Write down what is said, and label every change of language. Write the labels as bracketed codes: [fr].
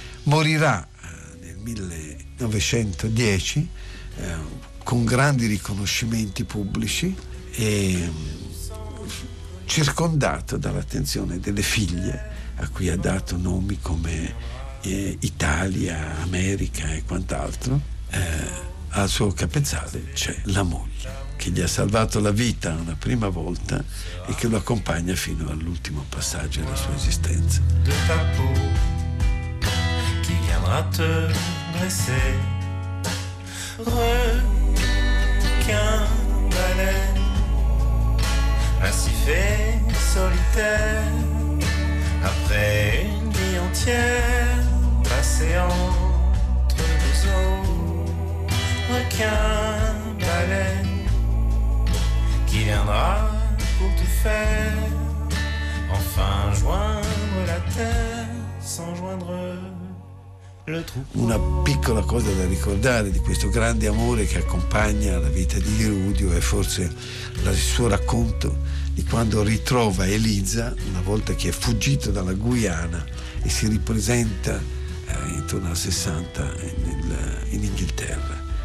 [it] Morirà nel 1910 con grandi riconoscimenti pubblici e circondato dall'attenzione delle figlie, a cui ha dato nomi come Italia, America e quant'altro. Al suo capezzale c'è la moglie che gli ha salvato la vita una prima volta e che lo accompagna fino all'ultimo passaggio della sua esistenza. [fr] De ta peau, qui viendra te blesser, requin baleine, massif et solitaire, après une vie entière. C'est entre deux eaux, requin, baleine, qui viendra pour te faire enfin joindre la terre sans joindre. [it] Una piccola cosa da ricordare di questo grande amore che accompagna la vita di Diluvio è forse il suo racconto di quando ritrova Eliza una volta che è fuggito dalla Guyana e si ripresenta intorno al 60 in Inghilterra.